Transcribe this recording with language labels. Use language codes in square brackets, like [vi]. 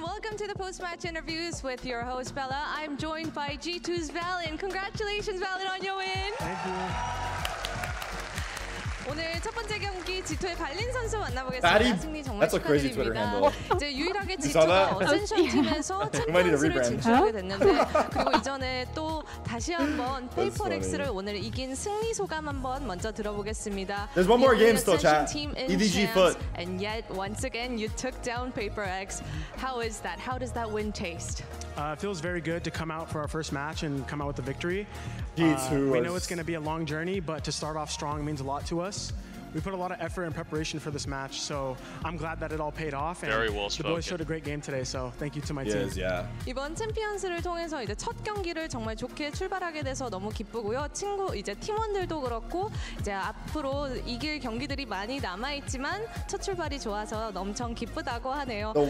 [en] Welcome to the post-match interviews with your host, Bella. I'm joined by G2's Valen. Congratulations, Valen, on your win. Thank you. [ko] 오늘 첫 번째 경기 G2의 발린 선수 만나보겠습니다. 승리 정말 축하드립니다. 이제 유일하게 G2가 어센션 팀에서 첫 승리를 진출하게 됐는데 그리고 이전에 또 다시 한번 페이퍼렉스를 오늘 이긴 승리 소감 한번 먼저 들어보겠습니다. [en] There's one more game still, chat. EDG foot. And yet, once again, you took down PaperX. How is that? How does that win taste? It feels very good to come out for our first match and come out with the victory. We know it's going to be a long journey, but to start off strong means a lot to us. We put a lot of effort and preparation for this match, so I'm glad that it all paid off. And very well spoken. The boys showed a great game today, so thank you to my team. Yes, yeah. [ko] 이번 챔피언스를 통해서 이제 첫 경기를 정말 좋게 출발하게 돼서 너무 기쁘고요. 친구 이제 팀원들도 그렇고 이제 앞으로 이길 경기들이 많이 남아 있지만 첫 출발이 좋아서 엄청 기쁘다고 하네요.